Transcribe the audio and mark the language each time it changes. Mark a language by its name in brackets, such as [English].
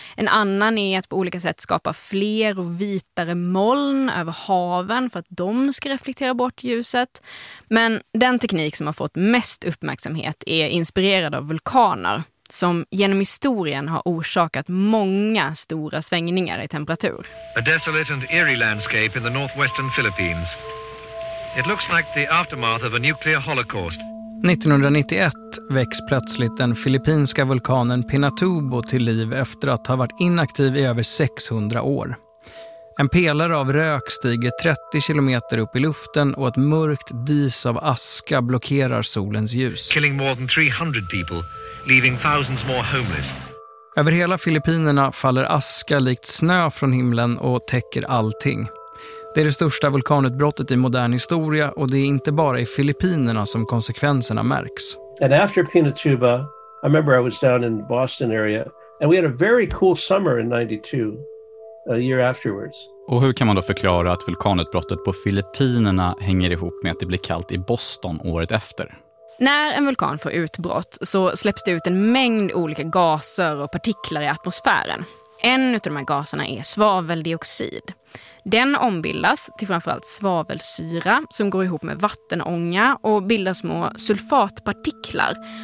[Swedish] En annan är att på olika sätt skapa fler och vitare moln över haven för att de ska reflektera bort ljuset. Men den teknik som har fått mest uppmärksamhet är inspirerad av vulkaner som genom historien har orsakat många stora svängningar i temperatur. [English] A desolate and eerie landscape in the northwestern Philippines. It looks like the aftermath of a nuclear holocaust. [Swedish] 1991 väcks plötsligt den filippinska vulkanen Pinatubo till liv efter att ha varit inaktiv i över 600 år. En pelare av rök stiger 30 km upp i luften och ett mörkt dis av aska blockerar solens ljus. [English] Killing more than 300 people, leaving thousands more homeless. [Swedish] Över hela Filippinerna faller aska likt snö från himlen och täcker allting. Det är det största vulkanutbrottet i modern historia och det är inte bara i Filippinerna som konsekvenserna märks. [English] And after Pinatubo, I remember I was down in the Boston area and we had a very cool summer in 92, a year afterwards. [Swedish] Och hur kan man då förklara att vulkanutbrottet på Filippinerna hänger ihop med att det blir kallt i Boston året efter? När en vulkan får utbrott så släpps det ut en mängd olika gaser och partiklar i atmosfären. En av de här gaserna är svaveldioxid. Den ombildas till framförallt svavelsyra som går ihop med vattenånga och bildar små sulfatpartiklar.